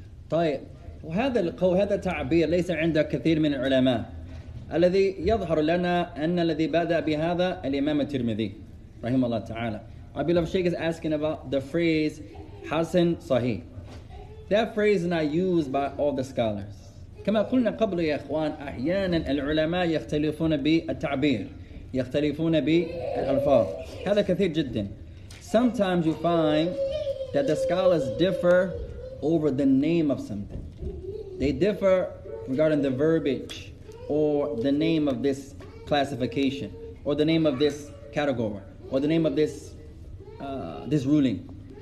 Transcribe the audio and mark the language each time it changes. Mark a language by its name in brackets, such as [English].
[Arabic] طيب. وهذا القول, هذا التعبير ليس عند كثير من العلماء. الذي يظهر لنا أن الذي بدأ بهذا الإمام الترمذي رحمه الله تعالى. [English] Our beloved Sheikh is asking about the phrase Hasan Sahih. That phrase is not used by all the scholars. [Arabic] كما قلنا قبل يا إخوان أحيانا العلماء يختلفون بالتعبير يختلفون بالألفاظ هذا كثير جدا. [English] Sometimes you find that the scholars differ over the name of something. They differ regarding the verbiage or the name of this classification or the name of this category or the name of this this ruling.